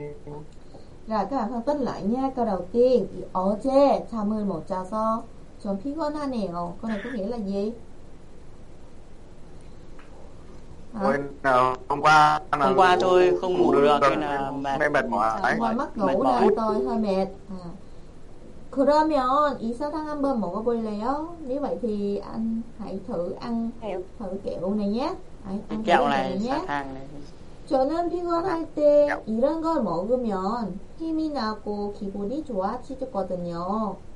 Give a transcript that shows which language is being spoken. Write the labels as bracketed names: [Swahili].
[Vietnamese] Rồi các bạn phân tích lại nha. Câu đầu tiên, [Korean] 어제 잠을 못 자서 좀 피곤하네요. [Vietnamese] 그 này có nghĩa là gì? Hôm qua tôi không ngủ được nên là mệt mỏi. Hôm qua mất ngủ nên tôi hơi mệt. [Korean] 그러면 이 사탕 한번 먹어볼래요? [Vietnamese] Nếu vậy thì anh hãy thử ăn kẹo này nhé. Kẹo này, 사탕 này. [Korean] 저는 피곤할때 이런 걸 먹으면 힘이 나고 기분이 좋아지거든요.